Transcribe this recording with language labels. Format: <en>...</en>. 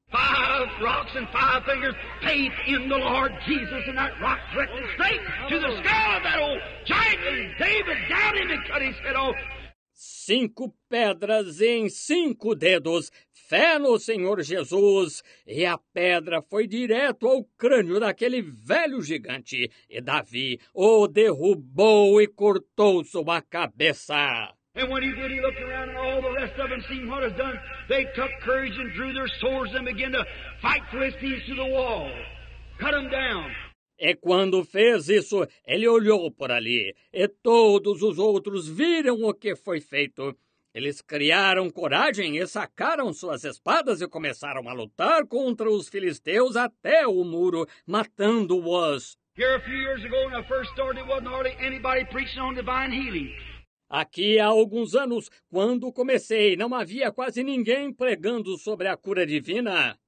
<en>Five rocks and five fingers, faith in the Lord Jesus, and that rock directed straight to the skull of that old giant, and David down him and cut his head off.</en> <pt>Cinco pedras em cinco dedos, fé no Senhor Jesus, e a pedra foi direto ao crânio daquele velho gigante, e Davi o derrubou e cortou sua cabeça.</pt> <en>And when he did, he looked around and all the rest of them seen what was done. They took courage and drew their swords and began to fight Philistines to the wall. Cut them down.</en> <pt>E quando fez isso, ele olhou por ali. E todos os outros viram o que foi feito. Eles criaram coragem e sacaram suas espadas e começaram a lutar contra os filisteus até o muro, matando-os.</pt> <en>Here a few years ago, when I first started, there wasn't hardly anybody preaching on divine healing.</en> <pt>Aqui há alguns anos, quando comecei, não havia quase ninguém pregando sobre a cura divina.</pt>